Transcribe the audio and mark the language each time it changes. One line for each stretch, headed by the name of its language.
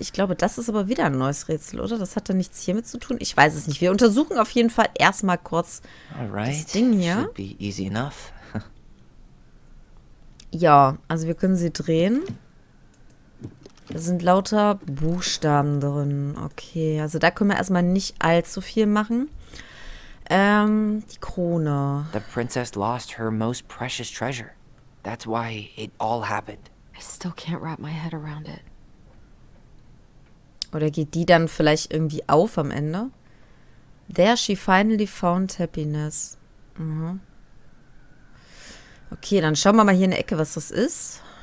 German: Ich glaube, das ist aber wieder ein neues Rätsel, oder? Das hat dann nichts hiermit zu tun. Ich weiß es nicht. Wir untersuchen auf jeden Fall erstmal kurz das
English: Alright,
German: Ding
English: should
German: hier.
English: be easy enough.
German: Ja, also wir können sie drehen. Da sind lauter Buchstaben drin. Okay, also da können wir erstmal nicht allzu viel machen. Die Krone.
English: The princess lost her most precious treasure. That's why it all happened. I still can't wrap my head around it.
German: Oder geht die dann vielleicht irgendwie auf am Ende?
English: There she finally found happiness.
German: Okay, dann schauen wir mal hier in der Ecke, was das ist.